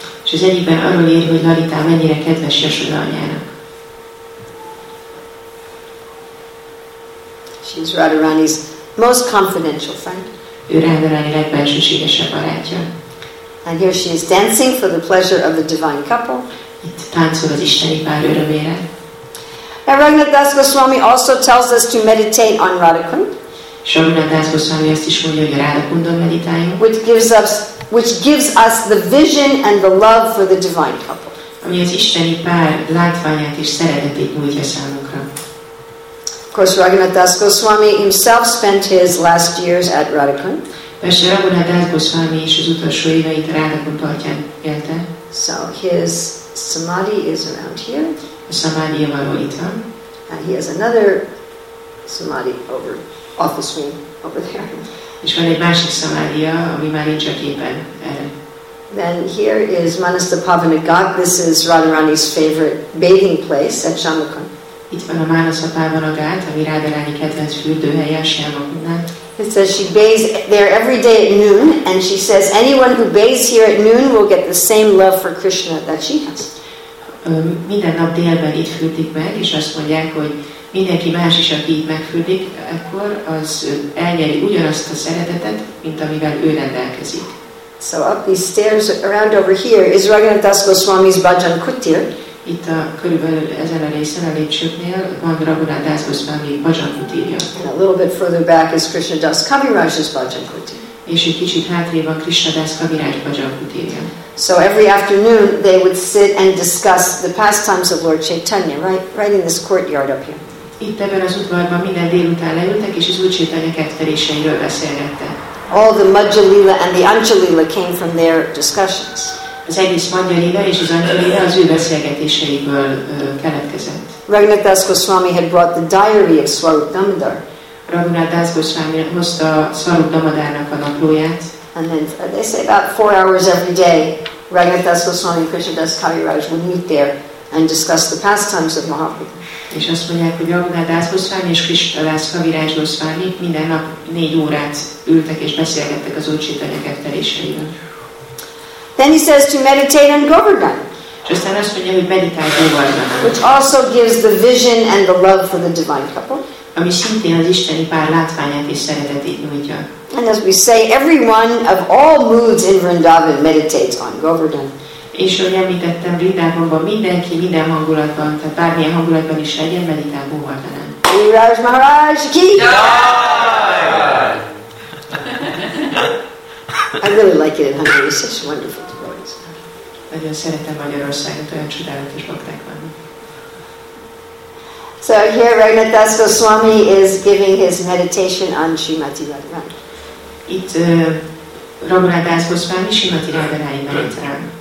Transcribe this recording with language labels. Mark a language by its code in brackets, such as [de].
[hu] És az egyikben arról ír, hogy Lalita mennyire kedves Yasoda anyjának. [en] She is Radharani's most confidential friend. [hu] Ő Radharani legbensőségesebb barátja. [en] And here she is dancing for the pleasure of the divine couple. [hu] Itt táncol az isteni pár örömére. [en] And Raghunath Das Goswami also tells us to meditate on Radhakund. [hu] Raghunath Das Goswami azt is mondja, hogy Radhakundon meditáljunk. [en] Which gives us the vision and the love for the divine couple. [hu] Ami az isteni pár látványát és szeretetét nyújtja számunkra. [en] Of course, Raghunath Das Goswami himself spent his last years at Radhakund. [hu] Persze Raghunath Das Goswami is az utolsó éveit Radhakund partján élte. [en] So his samadhi is around here. [hu] Samadhi van itt. [en] And he has another samadhi over office wing over there. [hu] És van egy másik samadhi, ami már nincs a képen. [en] Then here is Manasta Pavanagat. This is Radharani's favorite bathing place at Shyamakund. [hu] Itt van a Manasta Pavanagat, ami Radharani kedvenc fürdőhelye Shyamakundán. [en] It says she bathes there every day at noon, and she says anyone who bathes here at noon will get the same love for Krishna that she has. [hu] Minden nap délben itt fürdik meg, és azt mondják, hogy mindenki más is, aki itt megfürdik, akkor az elnyeri ugyanazt a szeretetet, mint amivel ő rendelkezik. [en] So up these stairs around over here is Raghunath Das Goswami's Bhajan Kutir. [hu] Itt a körülbelül ezen a részen a lépcsőknél van Raghunath Das Goswami Bhajan Kutirja. [en] And a little bit further back is Krishna Das Kaviraj's Bhajan Kutir. [hu] És egy kicsit hátrébb a Krishna Das Kaviraj Bhajan Kutirja. [en] So every afternoon they would sit and discuss the pastimes of Lord Chaitanya right in this courtyard up here. [hu] Itt ebben az udvarban minden délután leültek, és az Úr Chaitanya kedveléseiről beszélgettek. [en] All the Majjalila and the Anjalila came from their discussions. [hu] Az egész Majjalila és az Anjalila az ő beszélgetéseiből keletkezett. [en] Raghunath Das Goswami had brought the diary of Swarup Damodar. [hu] Raghunath Das Goswami hozta Swarup Damodarnak a naplóját. [en] And then they say about 4 hours every day, Raghunath Das Goswami and Krishna Das Kaviraj would meet there and discuss the pastimes of Mahaprabhu. [hu] És azt mondják, hogy Raghunath Das Goswami és Krishna Das Kaviraj Goswami minden nap 4 órát ültek és beszélgettek az Úr Chaitanya kedveléseiről. [en] Then he says to meditate on Govardhan. [hu] És aztán azt mondja, hogy meditálj Govardhan. [en] Which also gives the vision and the love for the divine couple. [hu] Ami szintén az isteni pár látványát és szeretetét nyújtja. [en] And as we say, everyone of all moods in Vrindavan meditates on Govardhan. [hu] És ahogy említettem, Vrindavanban mindenki, minden hangulatban, tehát bármilyen hangulatban is legyen, meditál Govardhanán. Viraj Maharaj ki! [en] I really like it in Hungary, it's such wonderful to go in. [hu] Nagyon szeretem Magyarországot, olyan csodálatos bakták vannak. [en] So here Raghunath Das Goswami is giving his meditation on Srimati Radharani. [hu] Itt Raghunath Das Goswami Srimati Radharani meditál.